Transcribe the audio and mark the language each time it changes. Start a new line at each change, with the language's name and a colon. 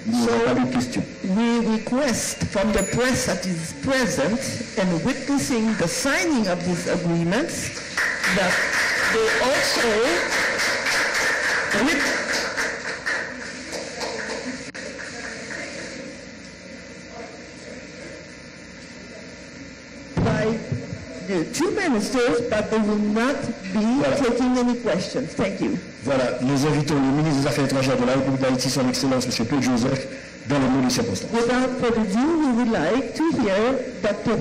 French: Il n'y aura pas de questions.
English: We request from the press that is present and witnessing the signing of these agreements that they also by the two ministers, but they will not be taking any questions. Thank you.
French: Voilà, nous invitons le ministre des Affaires étrangères de la République d'Haïti, son Excellence, Monsieur Claude Joseph, dans le monde de circonstance.
English: Without further ado, we would like to hear Dr.